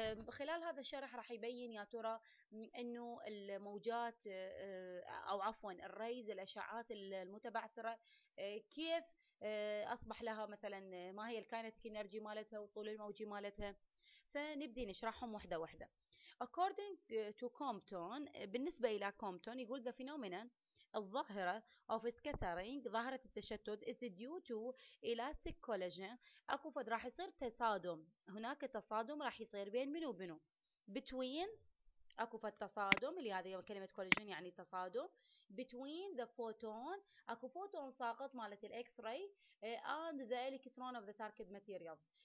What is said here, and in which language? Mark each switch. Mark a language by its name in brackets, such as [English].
[Arabic] خلال هذا الشرح راح يبين يا ترى انه الموجات او عفوا الرايز الاشعات المتبعثرة كيف اصبح لها مثلا ما هي الكاينتيك انرجي مالتها وطول الموجي مالتها. فنبدي نشرحهم واحدة واحدة. [English] According to Compton, [Arabic] بالنسبة إلى [English] Compton [Arabic] يقول [English] the phenomenon [Arabic] الظاهرة [English] of scattering [Arabic] ظاهرة التشتت [English] is due to elastic collision. [Arabic] أكو فد راح يصير تصادم، هناك تصادم راح يصير بين منو وبينو [English] between [Arabic] أكو فد تصادم اللي هذه كلمة collision يعني تصادم [English] between the photon [Arabic] أكو photon ساقط مالت الـ X-ray [English] and the electron of the target materials.